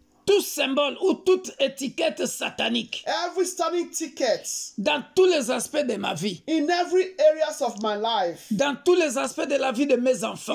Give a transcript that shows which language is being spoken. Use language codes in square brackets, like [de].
[fr] tout symbole ou toute étiquette satanique [en] every satanic ticket [fr] dans tous les aspects de ma vie [en] in every areas of my life [fr] dans tous les aspects de la vie de mes enfants